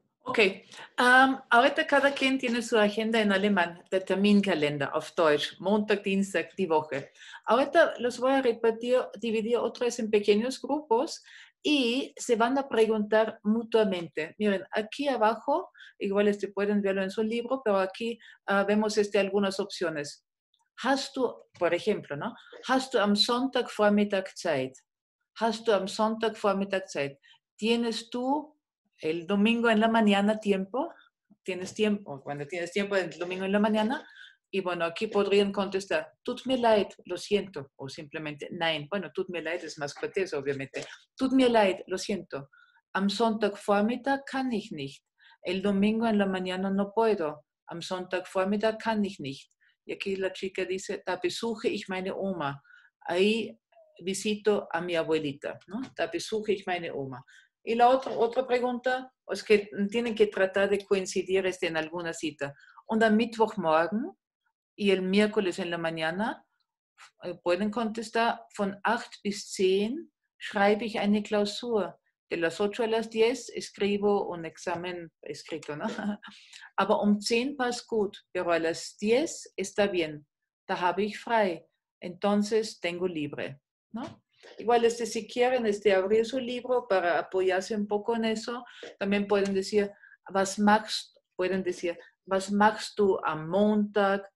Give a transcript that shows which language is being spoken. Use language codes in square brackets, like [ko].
[es] Ok. Ahorita cada quien tiene su agenda en alemán, [de] der Terminkalender auf Deutsch, Montag, Dienstag, die Woche. [es] Ahorita los voy a repartir, dividir otra vez en pequeños grupos y se van a preguntar mutuamente. Miren, aquí abajo, igual este pueden verlo en su libro, pero aquí vemos algunas opciones. [de] Hast du, [es] por ejemplo, ¿no? [de] Hast du am Sonntag Vormittag Zeit? Hast du am Sonntag Vormittag Zeit? [es] ¿Tienes tú el domingo en la mañana tiempo? ¿Tienes tiempo? Cuando tienes tiempo, el domingo en la mañana. Y bueno, aquí podrían contestar, [de] tut mir leid, [es] lo siento. O simplemente, nein. Bueno, [de] tut mir leid [es] es más cortés, obviamente. [de] Tut mir leid, [es] lo siento. [de] Am Sonntag Vormittag kann ich nicht. [es] El domingo en la mañana no puedo. [de] Am Sonntag Vormittag kann ich nicht. [es] Y aquí la chica dice, [de] da besuche ich meine Oma. [es] Ahí visito a mi abuelita, ¿no? [de] Da besuche ich meine Oma. [es] Y la otra pregunta, es que tienen que tratar de coincidir en alguna cita. [de] Und am Mittwochmorgen [es] y el miércoles en la mañana, pueden contestar, [de] von 8 bis 10 schreibe ich eine Klausur. [es] De las 8 a las 10 escribo un examen escrito, ¿no? [de] Aber um 10 passt gut, [es] pero a las 10 está bien. [de] Da habe ich frei. [es] Entonces tengo libre, ¿no? Igual, si quieren abrir su libro para apoyarse un poco en eso, también pueden decir, [de] was machst du am Montag?